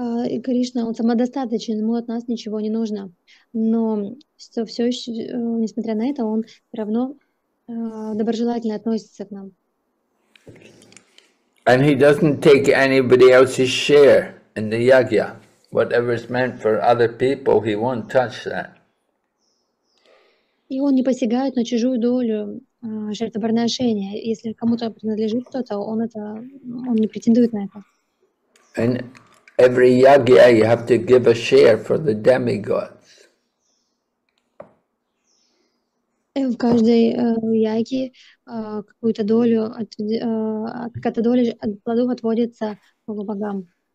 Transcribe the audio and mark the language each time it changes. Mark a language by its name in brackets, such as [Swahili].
[Russian] И Кришна, он самодостаточен, ему от нас ничего не нужно. Но все еще, несмотря на это, он все равно доброжелательно относится к нам. [English] And he doesn't take anybody else's share in the yajna. Whatever is meant for other people, he won't touch that. [Russian] И он не посягает на чужую долю жертвоприношения. Если кому-то принадлежит кто-то, он не претендует на это. [English] And every yajna you have to give a share for the demigods. [Russian] В каждой яге какую-то долю, какая-то доля от плодов отводится богам.